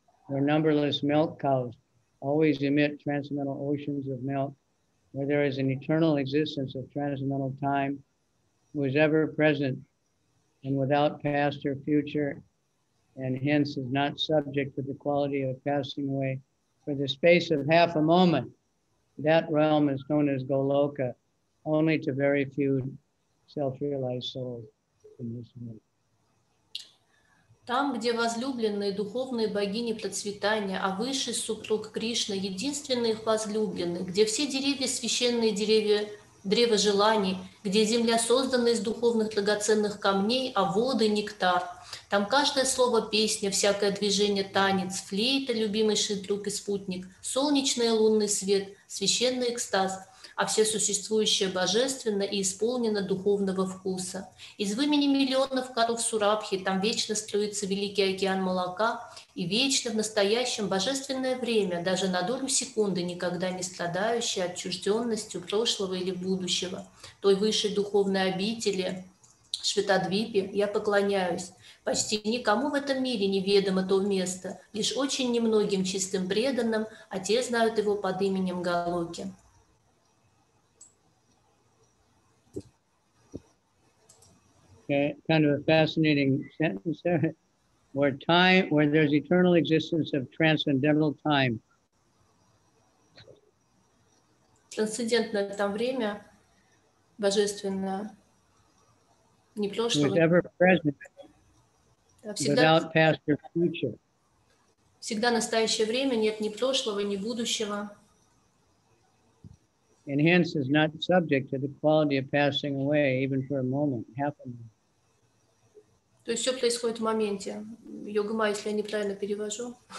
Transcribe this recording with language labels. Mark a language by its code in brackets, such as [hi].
[en] Where numberless milk cows always emit transcendental oceans of milk, where there is an eternal existence of transcendental time, who is ever present and without past or future, and hence is not subject to the quality of passing away, for the space of half a moment, that realm is known as Goloka, only to very few self-realized souls in this world. [ru] Там, где возлюбленные духовные богини процветания, а высший супруг Кришна, единственный их возлюбленный, где все деревья священные деревья, древо желаний, где земля создана из духовных драгоценных камней, а воды — нектар. Там каждое слово — песня, всякое движение — танец, флейта, любимый шитрук и спутник, солнечный и лунный свет, священный экстаз, а все существующее божественно и исполнено духовного вкуса. Из вымени миллионов коров Сурабхи там вечно строится великий океан молока, и вечно в настоящем божественное время, даже на долю секунды, никогда не страдающее отчужденностью прошлого или будущего, той высшей духовной обители Шветадвипе я поклоняюсь. Почти никому в этом мире неведомо то место, лишь очень немногим чистым преданным, а те знают его под именем Голоки. [en] Kind of a fascinating sentence there, where time, where there's eternal existence of transcendental time. [ru] Трансцендентное там время, божественное, не прошлое. [en] Was ever present, without past or future. [ru] Всегда настоящее время, нет ни прошлого, ни будущего. [en] And hence is not subject to the quality of passing away, even for a moment, half a moment. [ru] То есть все происходит в моменте. Йогама, если я неправильно перевожу.